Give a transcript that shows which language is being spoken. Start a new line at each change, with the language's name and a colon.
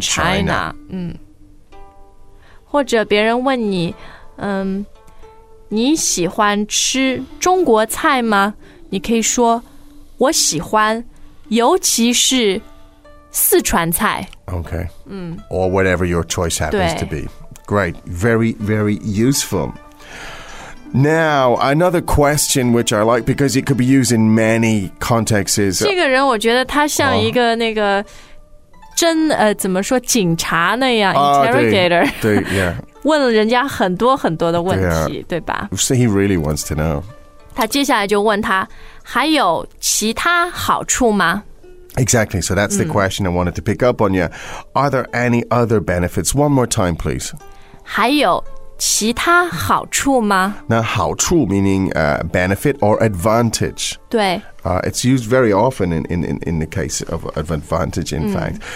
Chinese: China 或者别人问你你喜欢吃中国菜吗你可以说我喜欢尤其是四川菜
English: Okay. Or whatever your choice happens to be Great, very, very usefulNow, another question which I like because it could be used in many contexts is...
Chinese: 这个人我觉得他像一个那个真、怎么说警察那样、interrogator. 对, 对 yeah. 问了人家很多很多的问题
English: yeah,
Chinese: 对吧
English: So he really wants to know.
Chinese: 他接下来就问他还有其他好处吗
English: Exactly, so that's the question I wanted to pick up on you. Are there any other benefits? One more time, please.
Chinese: 还有其他好处吗?
English: Now, 好处 meaning benefit or advantage.
Chinese: 对。
English: It's used very often in the case of advantage, in fact.